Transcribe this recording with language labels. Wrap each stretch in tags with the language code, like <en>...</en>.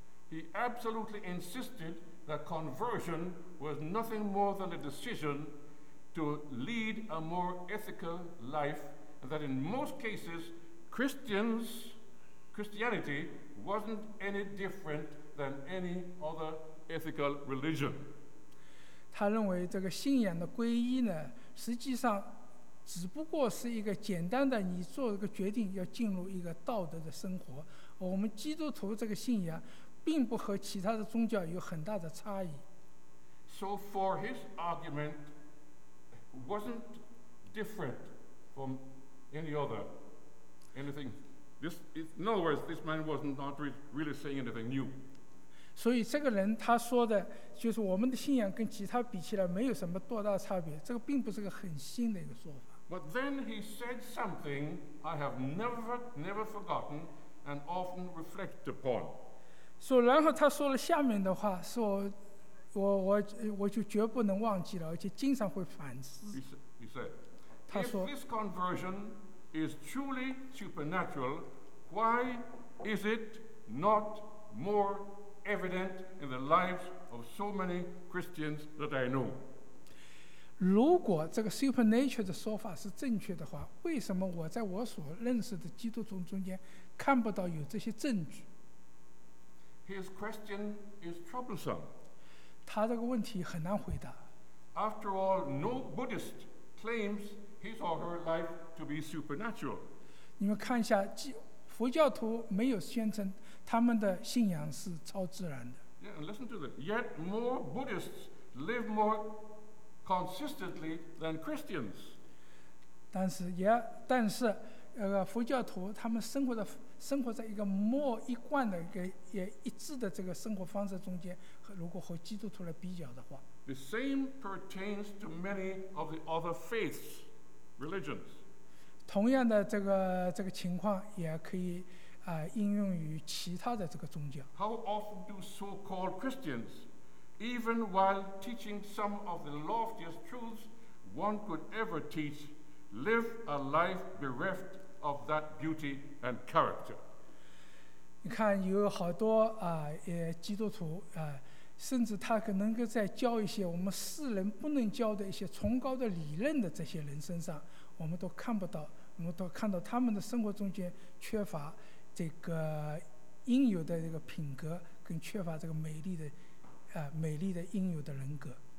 <en>He absolutely insisted that conversion was nothing more than a decision to lead a more ethical life, and that in most cases Christianity wasn't any different than any other ethical religion.</en> <zh>他认为这个信仰的皈依呢，实际上只不过是一个简单的，你做一个决定要进入一个道德的生活。我们基督徒这个信仰，并不和其他的宗教有很大的差异。</zh> <en>So for his argument, wasn't different from any other anything. This, in other words, this man wasn't not really saying anything new.</en> <zh>所以这个人他说的就是我们的信仰跟其他比起来没有什么多大差别，这个并不是个很新的一个说法。</zh> <en>But then he said something I have never forgotten and often reflect upon.</en> <zh>然后他说了下面的话，是我就绝不能忘记了，而且经常会反思。</zh> <en>He said,</en> <zh>他说</zh> <en>If this conversion is truly supernatural, why is it not more evident in the lives of so many Christians that I know.</en> <zh>如果这个 supernatural 的说法是正确的话，为什么我在我所认识的基督徒中间看不到有这些证据？</zh> <en>His question is troublesome.</en> <zh>他这个问题很难回答。</zh> <en>After all, no Buddhist claims his or her life to be supernatural.</en> <zh>你们看一下，佛教徒没有宣称他们的信仰是超自然的。</zh> <en>Yeah, and listen to this. Yet more Buddhists live more consistently than Christians.</en> <zh>但是佛教徒他们生活在一个 more 一贯的也一致的这个生活方式中间，如果和基督徒来比较的话。</zh> <en>The same pertains to many of the other faiths, religions.</en> <zh>同样的这个情况也可以应用于其他的这个宗教。</zh> <en>How often do so-called Christians, even while teaching some of the loftiest truths one could ever teach, live a life bereft of that beauty and character?</en> <zh>你看，有好多基督徒甚至他可能够在教一些我们世人不能教的一些崇高的理论的这些人身上，我们都看不到，我们都看到他们的生活中间缺乏这个应有的这个品格，跟缺乏这个美丽的应有的人格。</zh>